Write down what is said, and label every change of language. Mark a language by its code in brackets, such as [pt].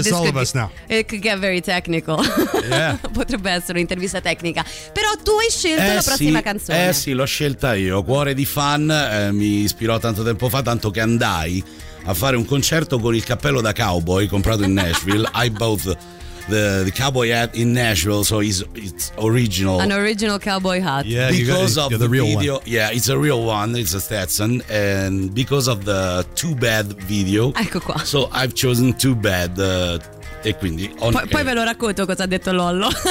[en] this all of us now. It could get very technical. Yeah. [it] Potrebbe essere un'intervista tecnica. Però tu hai scelto la prossima, sì, canzone. Eh sì, l'ho scelta io, cuore di fan, mi ispirò tanto tempo fa, tanto che andai a fare un concerto con il cappello da cowboy comprato in Nashville. [en] I bought the cowboy hat in Nashville, so it's original. An original cowboy hat. Yeah, because of the real video. One. Yeah, it's a real one, it's a Stetson, and because of the Too Bad video. [it] Ecco qua. [en] So I've chosen Too Bad, e quindi [it] poi ve lo racconto cosa ha detto Lollo.